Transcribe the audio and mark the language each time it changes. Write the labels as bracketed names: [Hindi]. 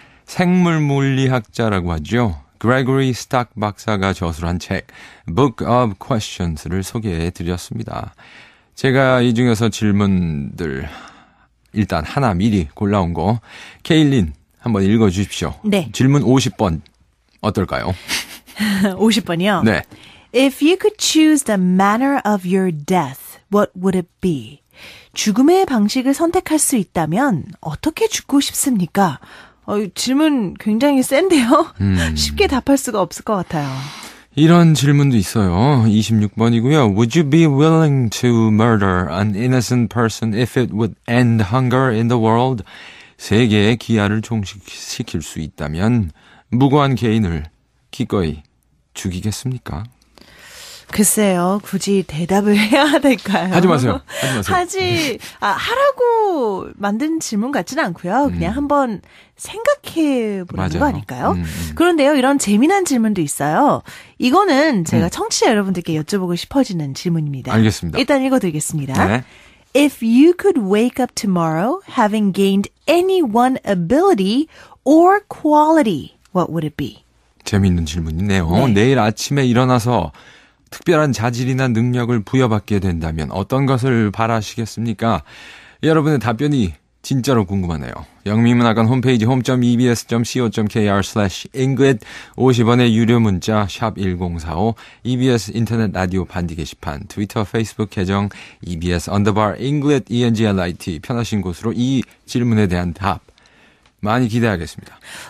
[Korean] 생물 물리학자라고 하죠. 그레거리 스탁 박사가 저술한 책 Book of Questions를 소개해드렸습니다. 제가 이 중에서 질문들 일단 하나 미리 골라온 거 케일린 한번 읽어주십시오. 네. 질문 50번 어떨까요? 50번이요? 네. [English] If you could choose the manner of your death, what would it be? [Korean] 죽음의 방식을 선택할 수 있다면 어떻게 죽고 싶습니까? 질문 굉장히 센데요? 쉽게 답할 수가 없을 것 같아요. 이런 질문도 있어요. 26번이고요. [English] Would you be willing to murder an innocent person if it would end hunger in the world? [Korean] 세계의 기아를 종식시킬 수 있다면 무고한 개인을 기꺼이 죽이겠습니까? 글쎄요. 굳이 대답을 해야 될까요? 하지 마세요. 하지 마세요. 하라고 만든 질문 같지는 않고요. 그냥 한번 생각해 보는 맞아요. 거 아닐까요? 그런데요. 이런 재미난 질문도 있어요. 이거는 제가 청취자 여러분들께 여쭤보고 싶어지는 질문입니다. 알겠습니다. 일단 읽어드리겠습니다. 네. [English] If you could wake up tomorrow having gained any one ability or quality, what would it be? [Korean] 재미있는 질문이네요. 네. 내일 아침에 일어나서 특별한 자질이나 능력을 부여받게 된다면 어떤 것을 바라시겠습니까? 여러분의 답변이 진짜로 궁금하네요. 영미문학관 홈페이지 home.ebs.co.kr/ingrid 50원의 유료 문자 샵 1045 EBS 인터넷 라디오 반디 게시판 트위터 페이스북 계정 EBS 언더바 ingrid ENGLIT 편하신 곳으로 이 질문에 대한 답 많이 기대하겠습니다.